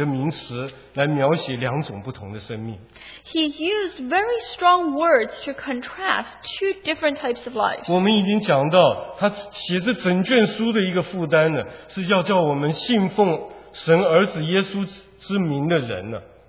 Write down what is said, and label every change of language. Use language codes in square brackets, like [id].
[zh] 他用了很多有强烈对比的名词来描写两种不同的生命。 [en] He used very strong words to contrast two different types of lives. [zh] 我们已经讲到他写这整卷书的一个负担了, 是要叫我们信奉神儿子耶稣之名的人了。